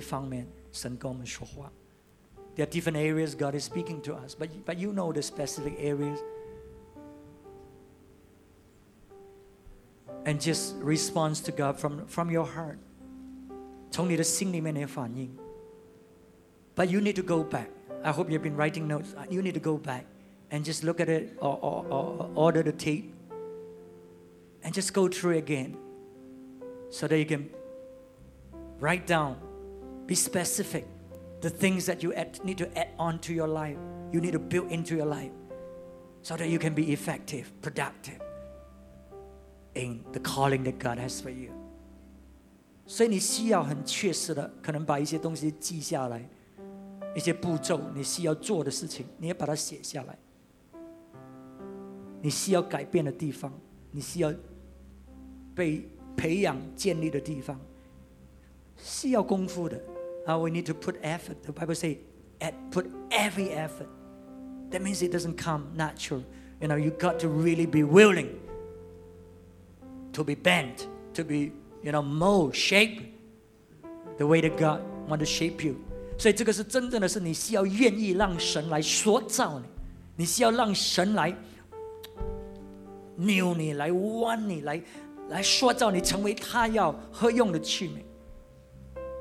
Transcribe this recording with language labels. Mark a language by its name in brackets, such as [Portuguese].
[Chinese] 神可能跟你讲的是在很特别指定的某一些方面。每一个人我们有不同的一些方面，神跟我们说话。 [English] There are different areas God is speaking to us, but you know the specific areas. And just respond to God from your heart. [Chinese] 从你的心里面的反应。 [English] But you need to go back. I hope you've been writing notes. You need to go back and just look at it or order the tape. And just go through it again. So that you can write down, be specific, the things that you need to add on to your life. You need to build into your life. So that you can be effective, productive in the calling that God has for you. [Chinese] 所以你需要很确实的，可能把一些东西记下来，一些步骤你需要做的事情，你也把它写下来。你需要改变的地方，你需要被培养建立的地方是要功夫的、 [English] we need to put effort. The Bible says put every effort. That means it doesn't come natural. You know, you've got to really be willing to be bent, to be, you know, mold, shape the way that God wants to shape you. [Chinese] 所以这个是真正的是你需要愿意让神来塑造你，你需要让神来扭你，来弯你，来塑造你成为他要合用的器皿。